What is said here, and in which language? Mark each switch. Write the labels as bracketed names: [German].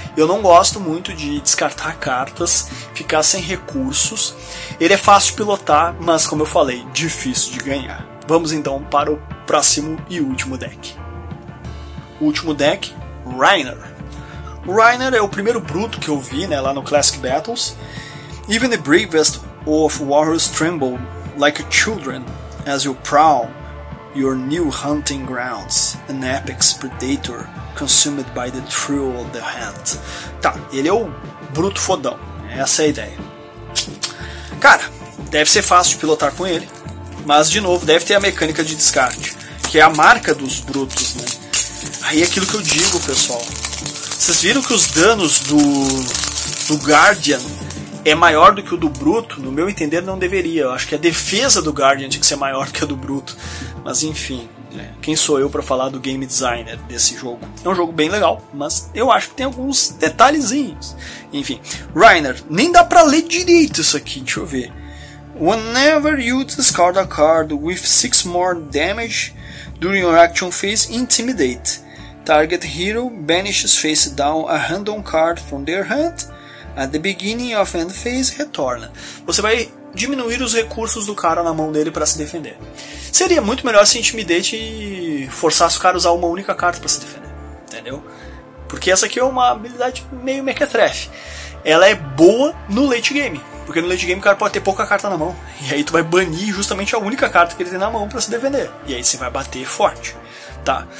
[Portuguese] Eu não gosto muito de descartar cartas, ficar sem recursos. Ele é fácil de pilotar, mas como eu falei, difícil de ganhar. Vamos então para o próximo e último deck. Último deck, Reiner. O Reiner é o primeiro bruto que eu vi, né, lá no Classic Battles. [English] Even the bravest of warriors tremble like children as you prowl your new hunting grounds, an apex predator consumed by the thrill of the hunt. [Portuguese] Tá, ele é o bruto fodão. Essa é a ideia. Cara, deve ser fácil de pilotar com ele, mas de novo, deve ter a mecânica de descarte, que é a marca dos brutos, né? Aí é aquilo que eu digo, pessoal. Vocês viram que os danos do Guardian é maior do que o do bruto? No meu entender, não deveria. Eu acho que a defesa do Guardian tinha que ser maior do que a do bruto. Mas enfim, né? Quem sou eu para falar do game designer desse jogo? É um jogo bem legal, mas eu acho que tem alguns detalhezinhos. Enfim, Reiner, nem dá para ler direito isso aqui, deixa eu ver. [English] Whenever you discard a card with 6 more damage during your action phase, intimidate. Target hero banishes face down a random card from their hand at the beginning of end phase, [Portuguese] retorna. Você vai diminuir os recursos do cara na mão dele para se defender. Seria muito melhor se intimidate e forçasse o cara a usar uma única carta para se defender, entendeu? Porque essa aqui é uma habilidade meio mequetrefe. Ela é boa no late game, porque no late game o cara pode ter pouca carta na mão, e aí tu vai banir justamente a única carta que ele tem na mão para se defender, e aí você vai bater forte. Tá.